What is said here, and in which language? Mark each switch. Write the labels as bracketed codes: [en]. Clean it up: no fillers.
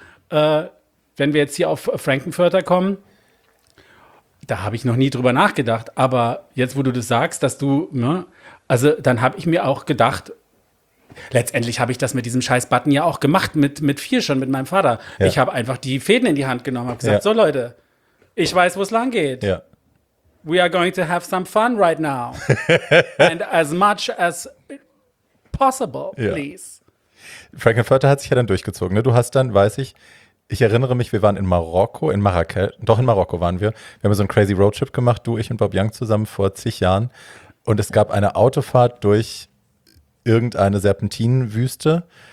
[de] Wenn wir jetzt hier auf Frankenfurter kommen, da habe ich noch nie drüber nachgedacht, aber jetzt, wo du das sagst, dass du, ne, also dann habe ich mir auch gedacht, letztendlich habe ich das mit diesem scheiß Button ja auch gemacht, mit vier schon, mit meinem Vater. Ja. Ich habe einfach die Fäden in die Hand genommen, habe gesagt, ja. So Leute, ich weiß, wo es lang geht. Ja. [en] We are going to have some fun right now. And as much as possible, please. [de] Ja. Frankenfurter hat sich ja dann durchgezogen. Ne? Du hast dann, weiß ich, ich erinnere mich, wir waren in Marokko, in Marrakesch, doch in Marokko waren wir. Wir haben so einen crazy Roadtrip gemacht, du, ich und Bob Young zusammen vor zig Jahren. Und es gab eine Autofahrt durch irgendeine Serpentinenwüste.